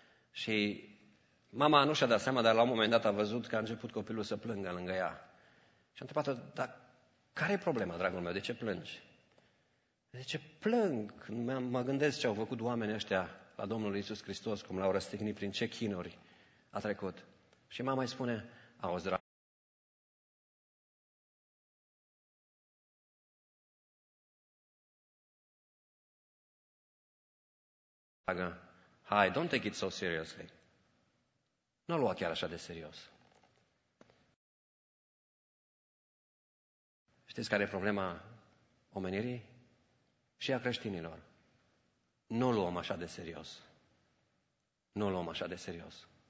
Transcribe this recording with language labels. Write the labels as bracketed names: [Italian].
[Romanian] Și mama nu și-a dat seama, dar la un moment dat a văzut că a început copilul să plângă lângă ea. Și a întrebat-o, dar care e problema, dragul meu, de ce plângi? De ce plâng? Mă gândesc ce au făcut oamenii ăștia la Domnul Iisus Hristos, cum l-au răstignit, prin ce chinuri a trecut. Și mama îi spune, auzi, dragul, hai, [English] don't take it so seriously. [Romanian] Nu-l lua chiar așa de serios. Știți care e problema omenirii și a creștinilor? Nu-l luăm așa de serios. Nu-l luăm așa de serios.